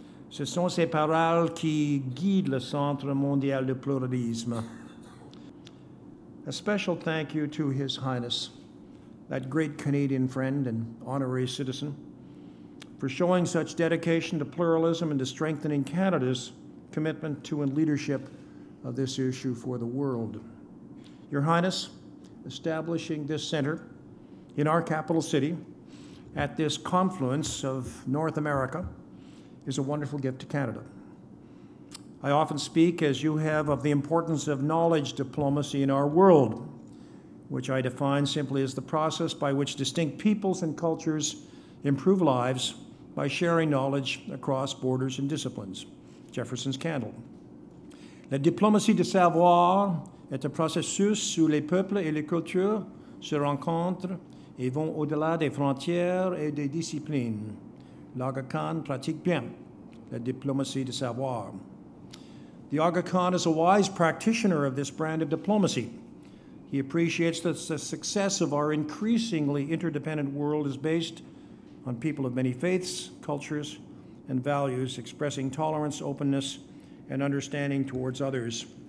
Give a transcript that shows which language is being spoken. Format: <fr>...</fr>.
<fr>Ce sont ces paroles qui guident le Centre mondial de pluralisme.</fr> <en>A special thank you to His Highness, that great Canadian friend and honorary citizen, for showing such dedication to pluralism and to strengthening Canada's commitment to and leadership of this issue for the world. Your Highness, establishing this center in our capital city, at this confluence of North America, is a wonderful gift to Canada. I often speak, as you have, of the importance of knowledge diplomacy in our world, which I define simply as the process by which distinct peoples and cultures improve lives by sharing knowledge across borders and disciplines. Jefferson's candle.</en> <fr>La diplomatie de savoir est un processus où les peuples et les cultures se rencontrent et vont au-delà des frontières et des disciplines. L'Aga Khan pratique bien la diplomatie de savoir.</fr> <en>The Aga Khan is a wise practitioner of this brand of diplomacy. He appreciates that the success of our increasingly interdependent world is based on people of many faiths, cultures, and values expressing tolerance, openness, and understanding towards others.</en>